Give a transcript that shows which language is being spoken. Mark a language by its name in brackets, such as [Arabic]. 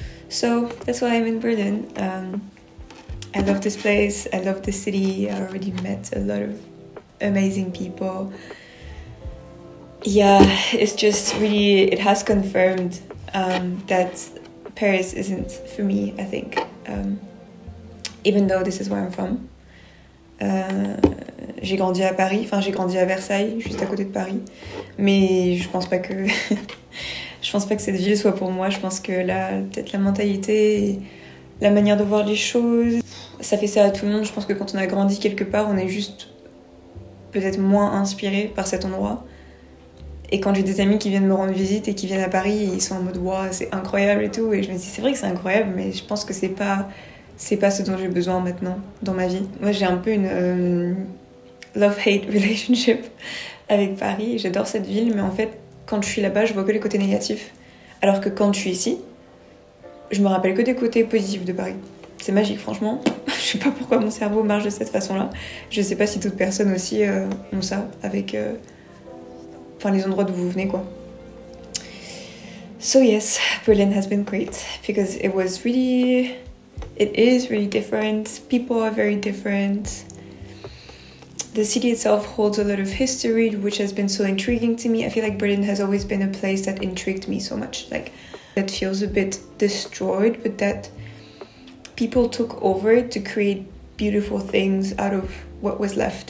[English] So that's why I'm in Berlin. I love this place, I love the city, I already met a lot of amazing people. Yeah, it's just really, it has confirmed that Paris isn't for me, I think. Even though this is where I'm from. [French] J'ai grandi à Paris, enfin j'ai grandi à Versailles, juste à côté de Paris. Mais je pense pas que... Je pense pas que cette ville soit pour moi. Je pense que là, peut-être la mentalité, la manière de voir les choses, ça fait ça à tout le monde. Je pense que quand on a grandi quelque part, on est juste peut-être moins inspiré par cet endroit. Et quand j'ai des amis qui viennent me rendre visite et qui viennent à Paris, ils sont en mode « waouh, c'est incroyable » et tout. Et je me dis « c'est vrai que c'est incroyable, mais je pense que c'est pas ce dont j'ai besoin maintenant dans ma vie. » Moi, j'ai un peu une [English] love-hate relationship [French] avec Paris. J'adore cette ville, mais en fait, quand je suis là-bas, je vois que les côtés négatifs. Alors que quand je suis ici, je me rappelle que des côtés positifs de Paris. C'est magique, franchement. Je sais pas pourquoi mon cerveau marche de cette façon-là. Je sais pas si toutes personnes aussi ont ça avec les endroits d'où vous venez, quoi. [English] So yes, Berlin has been great. Because it was really... It is really different. People are very different. The city itself holds a lot of history, which has been so intriguing to me. I feel like Berlin has always been a place that intrigued me so much. Like, that feels a bit destroyed, but that people took over to create beautiful things out of what was left.